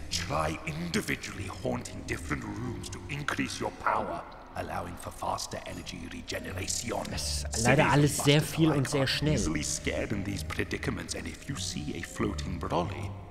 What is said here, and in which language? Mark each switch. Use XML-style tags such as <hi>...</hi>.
<en>Try individually haunting different rooms to increase your power, allowing for faster energy regeneration.</en> <de>Das ist leider alles sehr viel und sehr schnell.</de> <en>Easily scared in these predicaments, and if you see a floating brolly.</en>